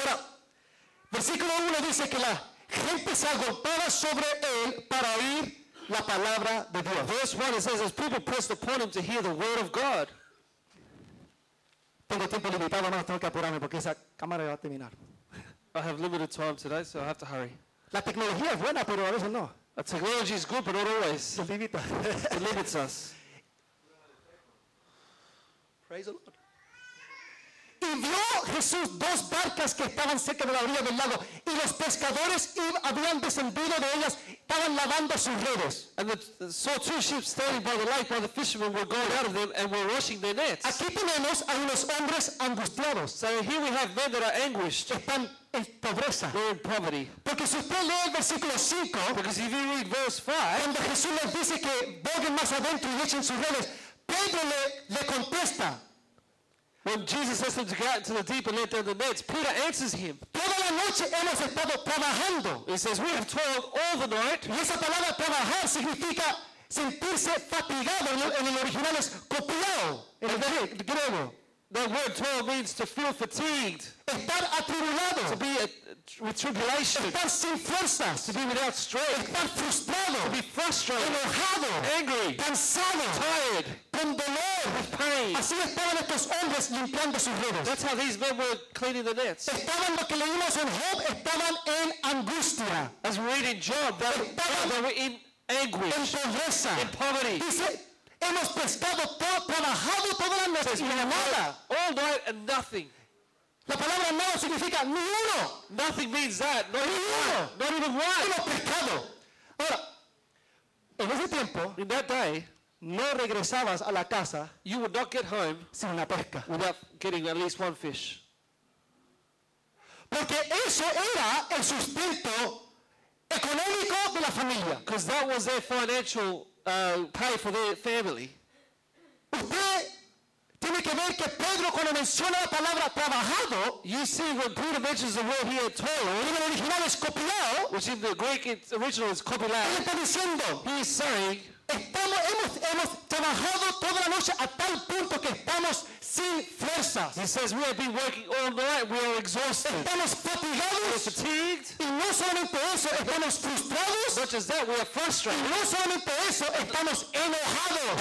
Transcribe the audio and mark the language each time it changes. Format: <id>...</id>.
<es>Ahora, versículo 1 dice que la gente se agolpaba sobre él para oír la palabra de Dios.</es> <en>Verse 1, it says, as people pressed upon him to hear the word of God.</en> <es>Tengo tiempo limitado, hermano, tengo que apurarme porque esa cámara va a terminar.</es> <en>I have limited time today, so I have to hurry.</en> <es>La tecnología es buena, pero a veces no.</es> <en>A technology is good, but not always. It limits us. It limits us. Praise the Lord.</en> <es>Y vio Jesús dos barcas que estaban cerca de la orilla del lago, y los pescadores habían descendido de ellas, estaban lavando sus redes.</es> <en>And saw two ships standing by the lake, while the fishermen were going out of them and were washing their nets.</en> <es>Aquí tenemos a unos hombres angustiados.</es> <en>So here we have men that are anguished.</en> <es>Están en pobreza.</es> <en>They're in poverty.</en> <es>Porque si usted lee el versículo 5,</es> <en>because if you read verse 5,</en> <es>cuando Jesús les dice que vayan más adentro y echen sus redes, Pedro le contesta.</es> <en>When Jesus asks them to go out into the deep and let down the nets, Peter answers him.</en> <es>Toda la noche hemos estado trabajando.</es> <en>He says, we have toiled all the night.</en> <es>Y esa palabra trabajar significa sentirse fatigado. En el original es copiado. En el griego.</es> <en>The word toil means to feel fatigued.</en> <es>Estar atribulado.</es> <en>To be with tribulation.</en> <es>Estar sin fuerzas.</es> <en>To be without strength.</en> <es>Estar frustrado.</es> <en>To be frustrated.</en> <es>Enojado.</es> <en>Angry.</en> <es>Cansado.</es> <en>Tired.</en> <es>Con dolor.</es> <en>With pain.</en> <es>Así estaban estos hombres limpiando sus redes.</es> <en>That's how these men were cleaning the nets.</en> <es>Estaban, lo que leímos en Job, estaban en angustia.</es> <en>As we read in Job, they were in anguish.</en> <es>En pobreza.</es> <en>In poverty.</en> <es>Dice, hemos pescado todo, trabajado toda la noche y nada.</es> <en>All night and nothing.</en> <es>La palabra nada significa ni uno.</es> <en>Nothing means that. Not</en> <es>ni</es> <en>even</en> <es>uno.</es> <en>One. Not even one.</en> <es>Hemos pescado. Ahora, en ese tiempo,</es> <en>in that day,</en> <es>no regresabas a la casa,</es> <en>you would not get home</en> <es>sin una pesca,</es> <en>without getting at least one fish.</en> <es>Porque eso era el sustento económico de la familia.</es> <en>Because that was their financial pay for their family.</en> <es>Usted tiene que ver que Pedro, cuando menciona la palabra trabajado,</es> <en>you see when Peter mentions the word here toil,</en> <es>en el original es copilado,</es> <en>which in the Greek it's original is copilado,</en> <es>él está diciendo,</es> <en>he is saying,</en> <es>estamos, hemos trabajado toda la noche a tal punto que estamos sin fuerzas.</es> <en>He says we have been working all night, we are exhausted.</en> <es>Estamos fatigados.</es> <en>We're fatigued.</en> <es>Y no solamente eso, estamos frustrados.</es> <en>Not just that, we are frustrated.</en> <es>Y no solamente eso, estamos enojados.</es>